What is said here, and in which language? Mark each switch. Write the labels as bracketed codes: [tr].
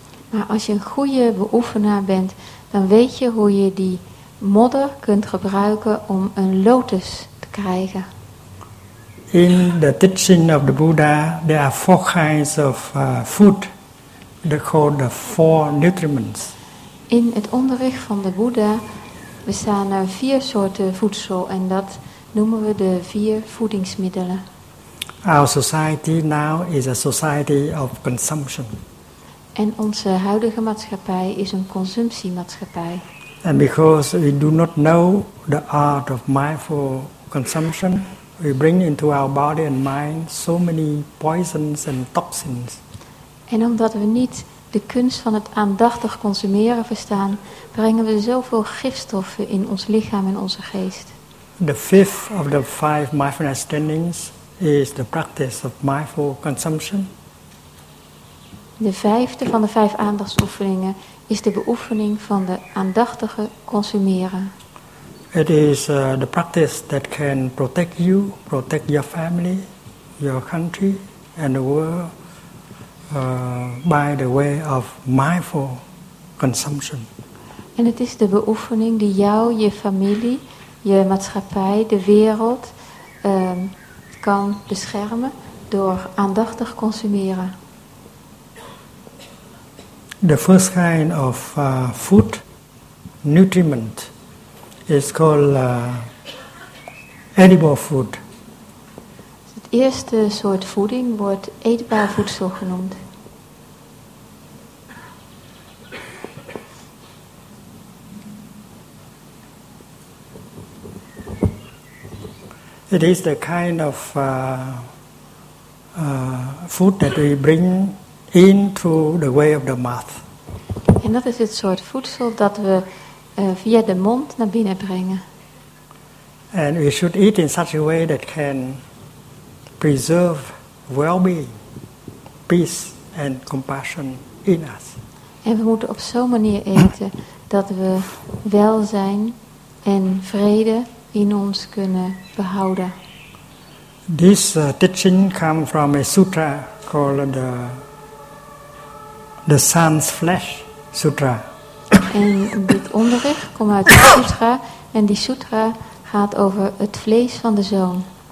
[nl] Maar als je een goede beoefenaar bent, dan weet je hoe je die modder kunt gebruiken om een lotus te krijgen. [en] In the teaching of the Buddha, there are four kinds of food. They're called the four nutriments. [nl] In het onderricht van de Boeddha bestaan er vier soorten voedsel en dat noemen we de vier voedingsmiddelen. [en] Our society now is a society of consumption. [nl] En onze huidige maatschappij is een consumptiemaatschappij. [en] And because we do not know the art of mindful consumption, we bring into our body and mind so many poisons and toxins. [nl] En omdat we niet de kunst van het aandachtig consumeren verstaan, brengen we zoveel gifstoffen in ons lichaam en onze geest. [en] The fifth of the five mindfulness trainings is the practice of mindful consumption. [nl] De vijfde van de vijf aandachtsoefeningen is de beoefening van de aandachtige consumeren. [en] It is the practice that can protect you, protect your family, your country and the world by the way of mindful consumption. [nl] En het is de beoefening die jou, je familie, je maatschappij, de wereld kan beschermen door aandachtig consumeren. [en] The first kind of food nutriment is called edible food. [nl] Het eerste soort voeding wordt eetbaar voedsel genoemd. [en] It is the kind of food that we bring in through the way of the mouth. [nl] En dat is het soort voedsel dat we via de mond naar binnen brengen. [en] And we should eat in such a way that can preserve well-being, peace and compassion in us. [nl] En we moeten op zo'n manier eten dat we welzijn en vrede in ons kunnen behouden. [en] This teaching comes from a sutra called the Sun's Flesh Sutra. [nl] En dit onderricht komt uit de sutra, en die sutra gaat over het vlees van de zoon.